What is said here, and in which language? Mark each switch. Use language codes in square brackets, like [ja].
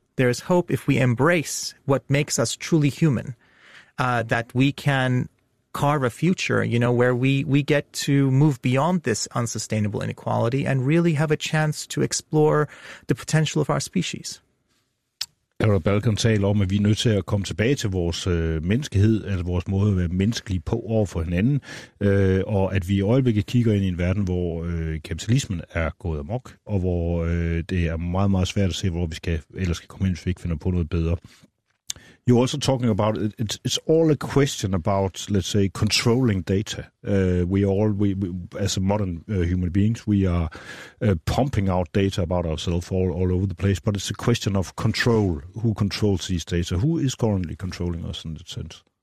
[en] There is hope if we embrace what makes us truly human, that we can carve a future, you know, where we get to move beyond this unsustainable inequality and really have a chance to explore the potential of our species. [da] Carol Balkan taler om, at vi er nødt til at komme tilbage til vores menneskehed, altså vores måde at være menneskelige på over for hinanden, og at vi i øjeblikket kigger ind i en verden, hvor kapitalismen er gået amok, og hvor det er meget, meget svært at se, hvor vi skal komme ind, hvis vi ikke finder på noget bedre. [en] You're also talking about it's all a question about, let's say, controlling data. We as a modern human beings, we are pumping out data about ourselves all over the place. But it's a question of control. Who controls these data? Who is currently controlling us in that sense?